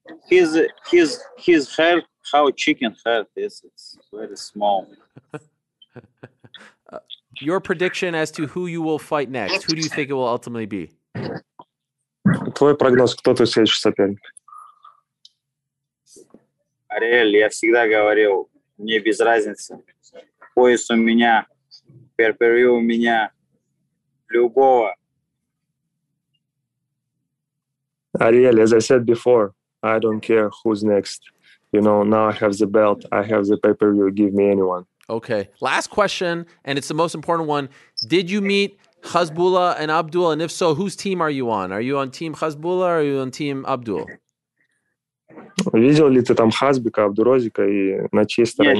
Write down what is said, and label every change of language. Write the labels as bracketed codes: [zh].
[en] his head, how chicken head is, it's very small. Your prediction as to who you will fight next, who do you think it will ultimately be? [ru] Твой прогноз, кто твой следующий соперник? Ариэль, я всегда говорил, мне без разницы. Пояс у меня, перпервью у меня, любого. [en] Ариэль, as I said before, I don't care who's next. You know, now I have the belt, I have the perpервью, give me anyone. Okay, last question, and it's the most important one. Did you meet Hezbollah and Abdul, and if so, whose team are you on? Are you on team Hezbollah or are you on team Abdul? [ru] Видел ли ты там Хазбика, Абдурозика и на чьей стороне?